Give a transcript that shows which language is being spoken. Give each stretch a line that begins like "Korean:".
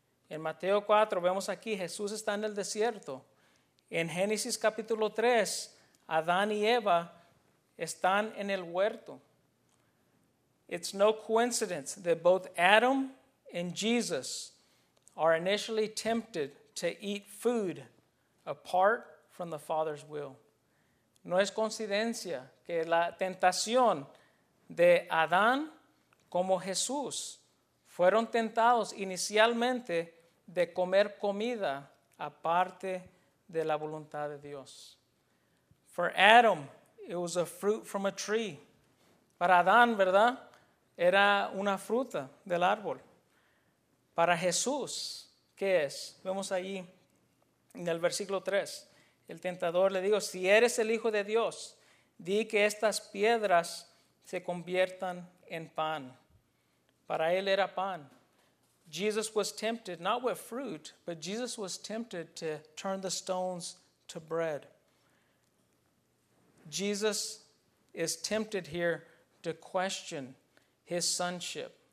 Spanish: En Mateo 4, vemos aquí, Jesús está en el desierto. En Génesis capítulo 3, Adán y Eva están en el huerto.
English: It's no coincidence that both Adam and Jesus are initially tempted to eat food apart from the Father's will.
Spanish: No es coincidencia que la tentación de Adán como Jesús fueron tentados inicialmente de comer comida aparte de la voluntad de Dios.
English: For Adam, it was a fruit from a tree.
Spanish: Para Adán, ¿verdad? Era una fruta del árbol. Para Jesús, ¿qué es? Vemos allí en el versículo 3. El tentador le dijo, si eres el Hijo de Dios, di que estas piedras se conviertan en pan. Para él era pan.
English: Jesus was tempted, not with fruit, but Jesus was tempted to turn the stones to bread. Jesus is tempted here to question his sonship.